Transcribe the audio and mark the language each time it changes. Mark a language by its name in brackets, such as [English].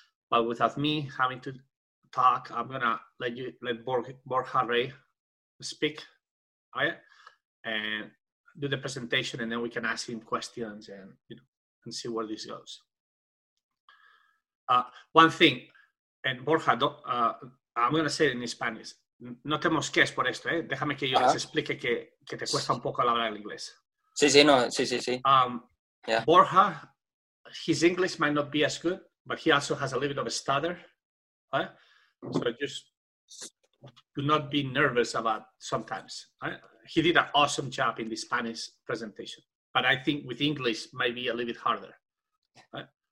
[English] But without me having to talk, I'm gonna let Borja Rey speak, right? And do the presentation, and then we can ask him questions and you know and see where this goes. One thing, and Borja, I'm gonna say it in Spanish. [Spanish] No te mosques por esto, eh? Déjame que yo les explique que te cuesta un poco hablar el inglés. Sí, sí, no, sí, sí, sí. [English] Yeah. Borja, his English might not be as good, but he also has a little bit of a stutter, right? So just do not be nervous about sometimes. Right? He did an awesome job in the Spanish presentation, but I think with English might be a little bit harder. Right?